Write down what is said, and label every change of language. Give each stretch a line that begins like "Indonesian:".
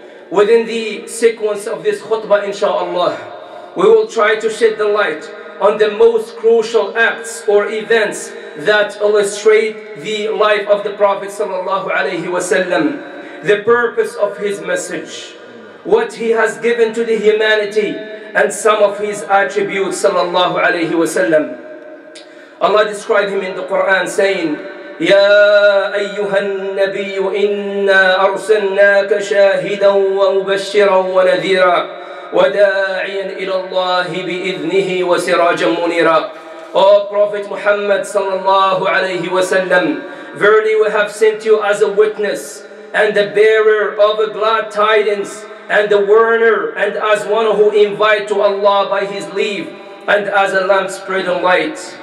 English: Within the sequence of this khutbah, inshallah, we will try to shed the light on the most crucial acts or events that illustrate the life of the Prophet sallallahu alayhi wa sallam, the purpose of his message, what he has given to the humanity, and some of his attributes sallallahu alayhi wa sallam. Allah described him in the Quran saying,
Arabic: يَا أَيُّهَا النَّبِيُّ إِنَّا أَرْسَلْنَاكَ شَاهِدًا وَمُبَشِّرًا وَنَذِيرًا وَدَاعِيًا إِلَى اللَّهِ بِإِذْنِهِ وَسِرَاجًا مُنِيرًا.
English: O Prophet Muhammad sallallahu alayhi wa sallam, verily we have sent you as a witness and the bearer of a glad tidings and the warner, and as one who invite to Allah by his leave, and as a lamp spreading light.